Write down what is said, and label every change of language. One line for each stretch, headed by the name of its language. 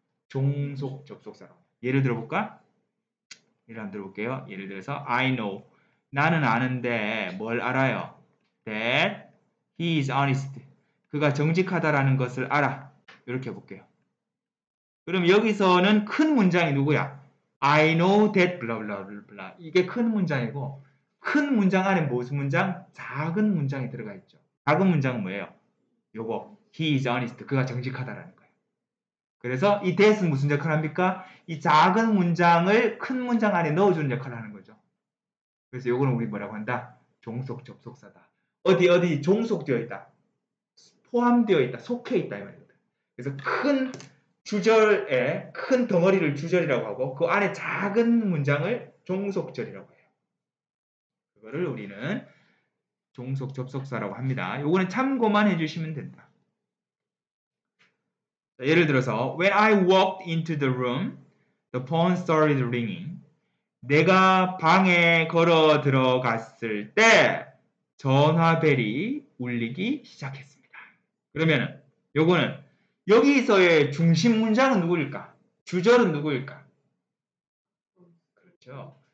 Korean: 종속 접속사로. 예를 들어볼까? 예를 한번 들어볼게요. 예를 들어서 I know. 나는 아는데 뭘 알아요?
English: That he is honest.
Korean: 그가 정직하다라는 것을 알아. 이렇게 해볼게요. 그럼 여기서는 큰 문장이 누구야?
English: I know that blah blah blah.
Korean: 이게 큰 문장이고 큰 문장 안에 무슨 문장? 작은 문장이 들어가 있죠. 작은 문장은 뭐예요?
English: 요거 He is honest.
Korean: 그가 정직하다라는 거예요. 그래서 이 that은 무슨 역할을 합니까? 이 작은 문장을 큰 문장 안에 넣어주는 역할을 하는 거죠. 그래서 요거는 우리 뭐라고 한다? 종속 접속사다. 어디 어디 종속되어 있다. 포함되어 있다. 속해 있다. 이 말입니다. 그래서 큰 주절에 큰 덩어리를 주절이라고 하고 그 안에 작은 문장을 종속절이라고 해요. 그거를 우리는 종속 접속사라고 합니다. 요거는 참고만 해주시면 된다. 자, 예를 들어서
English: When I walked into the room, the phone started ringing.
Korean: 내가 방에 걸어 들어갔을 때 전화벨이 울리기 시작했습니다. 그러면은 요거는 여기서의 중심 문장은 누구일까? 주절은 누구일까? 그렇죠.